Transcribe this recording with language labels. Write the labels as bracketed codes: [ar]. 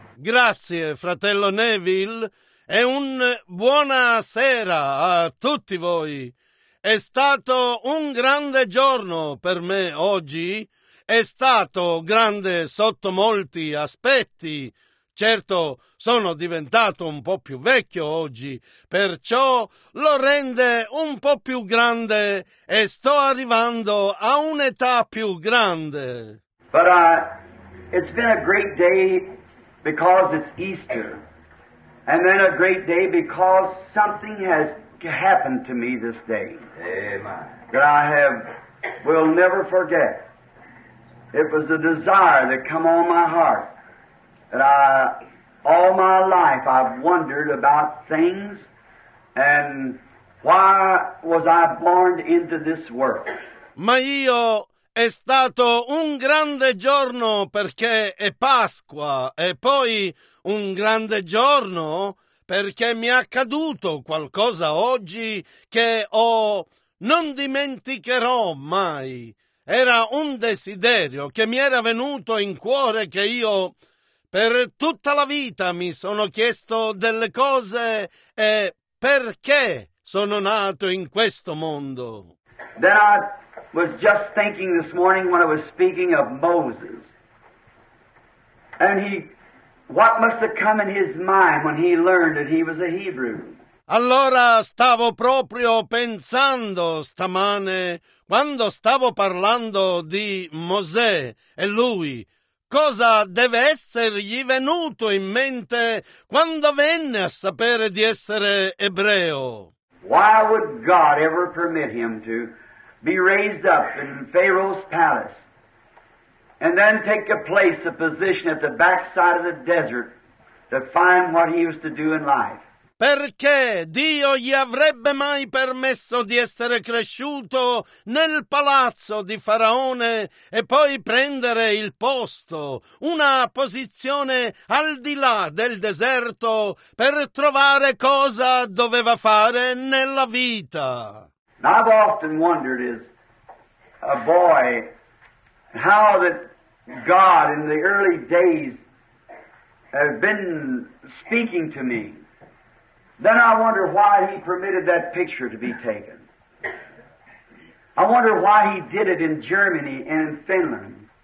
[it] Grazie, fratello Neville, e un buona sera a tutti voi. È stato un grande giorno per me oggi. È stato grande sotto molti aspetti. Certo, sono diventato un po' più vecchio oggi, perciò lo rende un po' più grande e sto arrivando a un'età più grande. [en] But it's been a great day because it's Easter, and then a great day because something has happened to me this day. Amen. That I will never forget. It was a desire that come on my heart. That all my life I've wondered about things, and why was I born into this world? [it] Ma io, è stato un grande giorno perché è Pasqua, e poi un grande giorno perché mi è accaduto qualcosa oggi che non dimenticherò mai. Era un desiderio che mi era venuto in cuore, che io per tutta la vita mi sono chiesto delle cose e perché sono nato in questo mondo. [en] Then I was just thinking this morning when I was speaking of Moses, and what must have come in his mind when he learned that he was a Hebrew. [it] Allora stavo proprio pensando stamane, quando stavo parlando di Mosè e lui, cosa deve essergli venuto in mente quando venne a sapere di essere ebreo? [en] Why would God ever permit him to be raised up in Pharaoh's palace and then take a place, a position at the backside of the desert to find what he was to do in life? [it] Perché Dio gli avrebbe mai permesso di essere cresciuto nel palazzo di Faraone e poi prendere il posto, una posizione al di là del deserto, per trovare cosa doveva fare nella vita? [en] I've often wondered as a boy how that God in the early days has been speaking to me. Then I wonder why he permitted that picture to be taken. I wonder why he did it in Germany and in Finland.